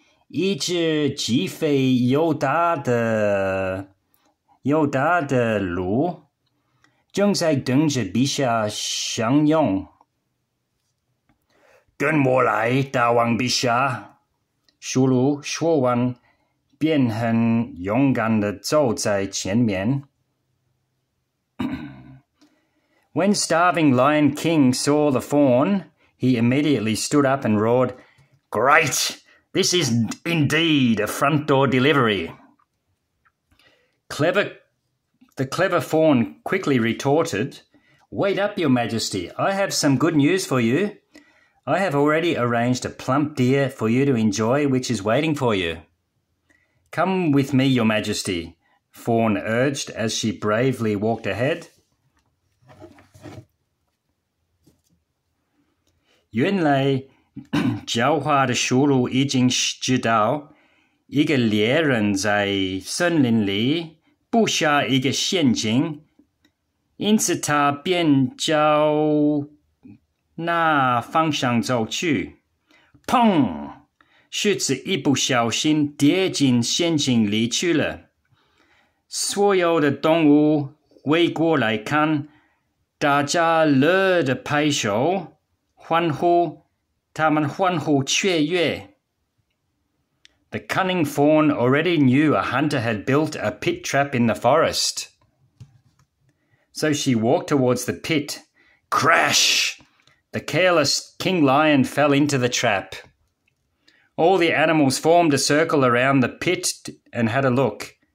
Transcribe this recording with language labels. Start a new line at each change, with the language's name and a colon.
Chinese: 一只极肥又大的鹿正在等着陛下享用。跟我来，大王陛下。驯鹿说完，便很勇敢地走在前面。
English: When starving Lion King saw the fawn, he immediately stood up and roared, "Great! This is indeed a front door delivery." The clever fawn quickly retorted, "Wait up, your majesty. I have some good news for you. I have already arranged a plump deer for you to enjoy, which is waiting for you." "Come with me, your majesty," fawn urged as she bravely walked ahead.
Chinese: 原来狡猾的驯鹿已经知道一个猎人在森林里布下一个陷阱，因此他便朝那方向走去。砰！狮子一不小心跌进陷阱里去了。所有的动物围过来看，大家乐得拍手欢呼，他们欢呼雀跃。
English: The cunning fawn already knew a hunter had built a pit trap in the forest. So she walked towards the pit. Crash! The careless King Lion fell into the trap. All the animals formed a circle around the pit and had a look.